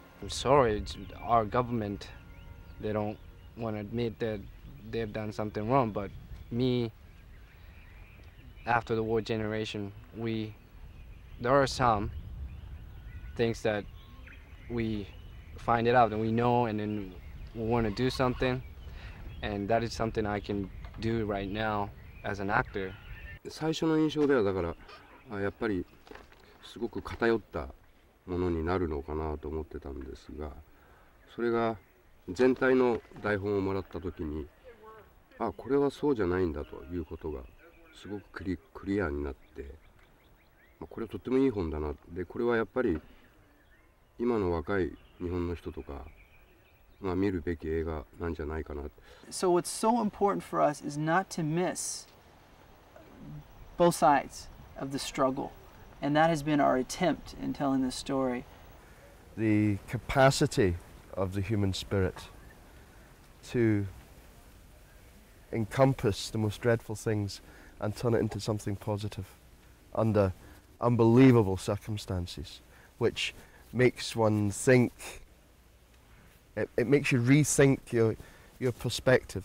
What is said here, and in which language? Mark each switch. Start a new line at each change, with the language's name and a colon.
English: I'm sorry, our government, they don't want to admit that they've done something wrong, but me, after the war generation, there are some things that we find it out and we know and then we want to do something, and that is something I can do right now as an actor.
Japanese: 最初の印象ではだからやっぱりすごく偏ったものになるのかなと思ってたんですが、それが全体の台本をもらった時に、あ、これはそうじゃないんだということがすごくクリアになって、まあ、これはとってもいい本だな。で、これはやっぱり今の若い日本の人とか、まあ、見るべき映画なんじゃないかな。
English: So what's so important for us is not to miss both sides of the struggle, and that has been our attempt in telling this story. The capacity of the human spirit to encompass the most dreadful things and turn it into something positive under unbelievable circumstances, which makes one think, it makes you rethink your perspective.